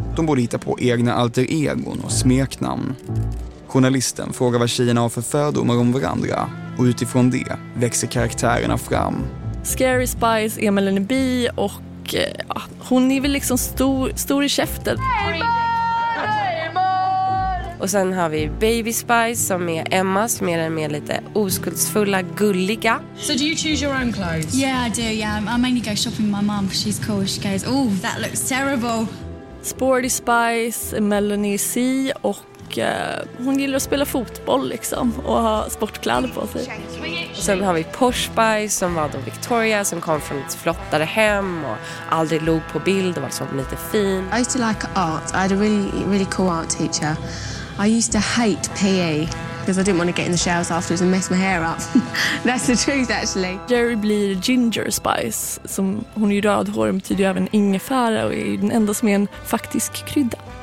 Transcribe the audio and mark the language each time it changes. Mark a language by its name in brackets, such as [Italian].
[Swedish] De borde hitta på egna alter egon och smeknamn. Journalisten frågar vad tjejerna har för fördomar om varandra och utifrån det växer karaktärerna fram. Scary Spice är Melanie B och ja, hon är väl liksom stor i käften. Och sen har vi Baby Spice som är Emma som är den mer lite oskuldsfulla, gulliga. [English] So do you choose your own clothes? Yeah, I do. Yeah, I mainly go shopping with my mom, she's cool. She goes, "Oh, that looks terrible." [Swedish] Sporty Spice, Melanie C och hon gillar att spela fotboll liksom och ha sportkläder på sig. Och sen har vi Posh Spice som var då Victoria som kom från ett flottare hem och aldrig låg på bild och var så lite fin. [English] I used to like art. I had a really really cool art teacher. I used to hate PE because I didn't want to get in the showers afterwards and mess my hair up. That's the truth actually. [Swedish] Jerry blir Ginger Spice som hon är ju rödhårig men tyder ju även ingefära och är den enda som är en faktisk krydda.